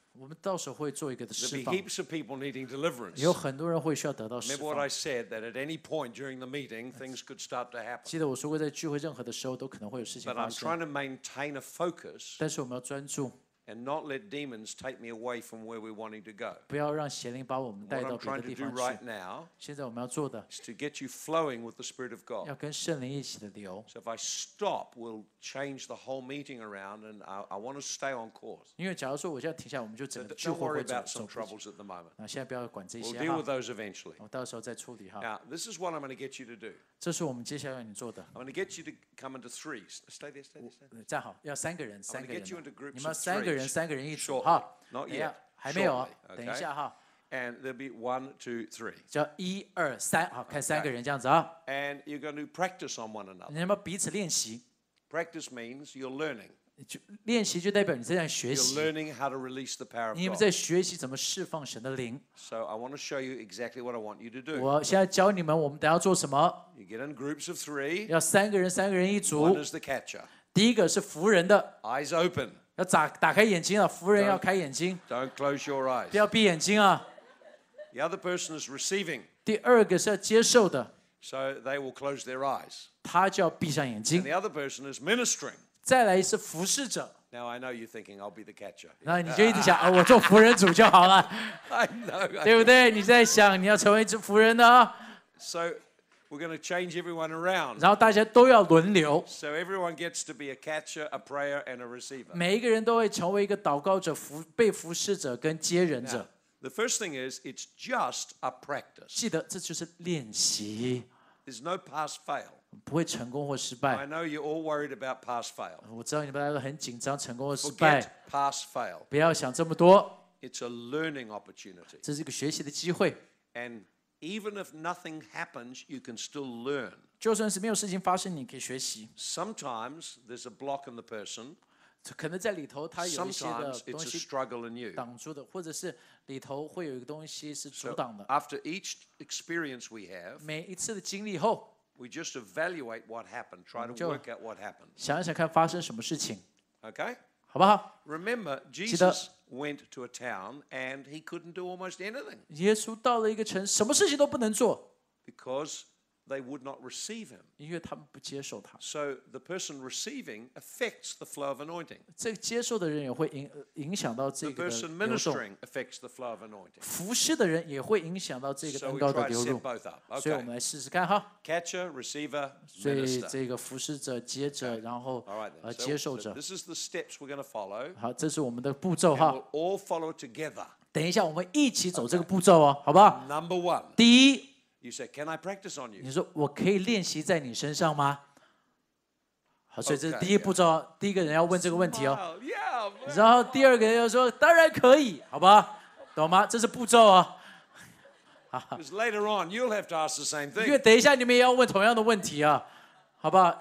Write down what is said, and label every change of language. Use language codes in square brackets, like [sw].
[zh] 我们到时候会做一个释放。 [en] There'll be heaps of people needing deliverance. [zh] 有很多人会需要得到释放。 [en] Remember what I said, that at any point during the meeting, things could start to happen. [zh] 记得我说过，在聚会任何的时候都可能会有事情发生。 [en] But I'm trying to maintain a focus. [zh] 但是我们要专注。 [en] And not let demons take me away from where we're wanting to go. [zh] 不要让邪灵把我们带到别的地方去。 [en] What I'm trying to do right now, [zh] 现在我们要做的 [en] is to get you flowing with the Spirit of God. [zh] 要跟圣灵一起的流。 [en] So if I stop, we'll change the whole meeting around, and I want to stay on course. [zh] 因为假如说我现在停下，我们就整个聚会会走。 [en] Don't worry about some troubles at the moment. [zh] 那现在不要管这些。 [en] We'll deal with those eventually. [zh] 我到时候再处理哈。 [en] Now this is what I'm going to get you to do. [zh] 这是我们接下来要你做的。 [en] I'm going to get you to come into threes. Stay there, stay there. [zh] 站好，要三个人，三个人。 [en] I'm going to get you into groups. [zh] 你们三个人。三个人一组哈，等一下还没有、 [en] Shortly. [zh] 等一下哈。 [en] And there'll be one, two, three. [zh] 叫一二三，好，看三个人这样子啊。 [en] And you're going to practice on one another. [zh] 你们彼此练习。 [en] Practice means you're learning. [zh] 练习就代表你正在学习。 [en] You're learning how to release the power of God. [zh] 你们在学习怎么释放神的灵。 [en] So I want to show you exactly what I want you to do. [zh] 我现在教你们，我们等下做什么 [en] ？You get in groups of three. [zh] 要三个人，三个人一组。 [en] One is the catcher. [zh] 第一个是服人的。 [en] Eyes open. [zh] 要打开眼睛了，服人要开眼睛。 [en] Don't close your eyes. [zh] 不要闭眼睛啊。 [en] The other person is receiving. [zh] 第二个是要接受的。 [en] So they will close their eyes. [zh] 他就要闭上眼睛。 [en] And the other person is ministering. [zh] 再来是服侍者。 [en] Now I know you're thinking I'll be the catcher. [zh] 那你就一直想，我做服人主就好了。对不对？你在想你要成为一只服人的啊。 [en] So we're going to change everyone around. [zh] 然后大家都要轮流。 [en] So everyone gets to be a catcher, a prayer, and a receiver. [zh] 每一个人都会成为一个祷告者、被服侍者跟接人者。 [en] The first thing is, it's just a practice. [zh] 记得，这就是练习。 [en] There's no pass fail. [zh] 不会成功或失败。 [en] I know you're all worried about pass fail. [zh] 我知道你们大家都很紧张，成功或失败。 [en] Forget pass fail. [zh] 不要想这么多。 [en] It's a learning opportunity. [zh] 这是一个学习的机会。 [en] And even if nothing happens, you can still learn. [zh] 就算是没有事情发生，你可以学习。 [en] Sometimes there's a block in the person. [zh] 可能在里头他有一些的东西。 [en] It's a struggle in you. [zh] 挡住的，或者是里头会有一个东西是阻挡的。 [en] So after each experience we have, [zh] 每一次的经历后 [en] ，we just evaluate what happened, try to work out what happened. [zh] 想一想看发生什么事情。 [en] Okay, [zh] 好不好 [en] ？Remember, Jesus. Went to a town and he couldn't do almost anything. [zh] 耶稣到了一个城，什么事情都不能做。 [en] Because they would not receive him. [zh] 因为他们不接受他。 [en] So the person receiving affects the flow of anointing. [zh] 这个接受的人也会影响到这个流动。 [en] The person ministering affects the flow of anointing. [zh] 服侍的人也会影响到这个恩膏的流动。 [en] So we try to set both up. [zh] 所以我们来试试看哈。 [en] Catcher, receiver, minister. [zh] 所以这个服侍者、接者，然后接受者。 [en] This is the steps we're going to follow. [zh] 好，这是我们的步骤哈。 [en] And we'll all follow together. [zh] 等一下，我们一起走这个步骤哦，好不好 [en] ？Number one. [zh] 第一。 [en] You say, "Can I practice on you?" [zh] 你说我可以练习在你身上吗？好，所以这是第一步骤，第一个人要问这个问题哦。然后第二个人又说，当然可以，好吧？懂吗？这是步骤哦。 [en] Because later on, you'll have to ask the same thing. [zh] 因为等一下你们也要问同样的问题啊，好吧？